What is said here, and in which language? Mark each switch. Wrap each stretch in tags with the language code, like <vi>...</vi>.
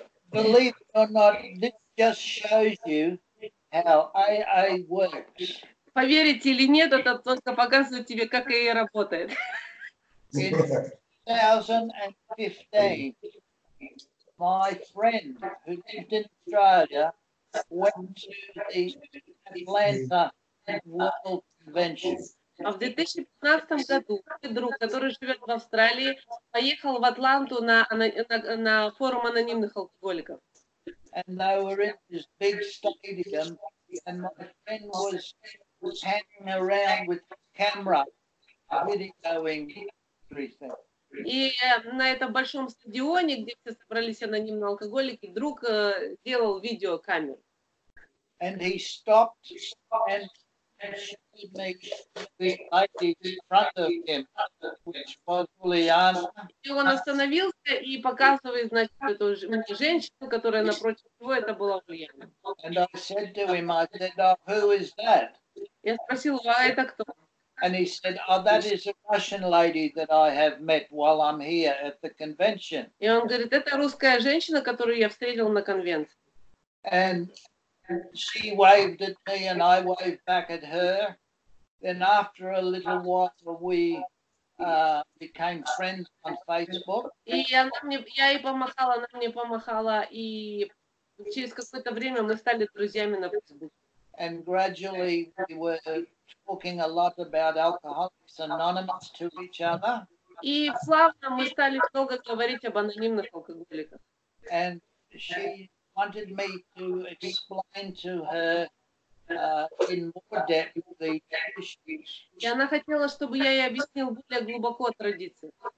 <en>Believe it or not, this just shows you how AA works.</en> <ru>Поверите или нет, это только показывает тебе, как AA работает.</ru> <en>In 2015, my friend who lived in Australia went to the Atlanta World Convention.</en> <ru>А в 2015 году мой друг, который живет в Австралии, поехал в Атланту на форум анонимных алкоголиков.</ru> <en>And they were in this big stadium, and my friend was hanging around with the camera, videoing everything.</en> <ru>И на этом большом стадионе, где все собрались анонимные алкоголики, друг делал видеокамеру.</ru> <en>And he stopped and she made the idea in front of him, which was Ульяна.</en> <ru>И он остановился и показывает, значит, эту женщину, которая напротив него, это была Ульяна.</ru> <en>And I said to him, I said, oh, who is that?</en> <ru>Я спросил, а это кто?</ru> <en>And he said, oh, that is a Russian lady that I have met while I'm here at the convention.</en> <ru>И он говорит, это русская женщина, которую я встретил на конвенции.</ru> <en>And she waved at me and I waved back at her. Then after a little while, we became friends on Facebook.</en> <ru>И она мне, я ей помахала, она мне помахала, и через какое-то время мы стали друзьями на Facebook.</ru> <en>And gradually we were talking a lot about Alcoholics Anonymous to each other.</en> <ru>И плавно мы стали много говорить об анонимных алкоголиках.</ru> <en>And she wanted me to explain to her in more depth the traditions.</en> <ru>И она хотела, чтобы я ей объяснил более глубоко традиции.</ru>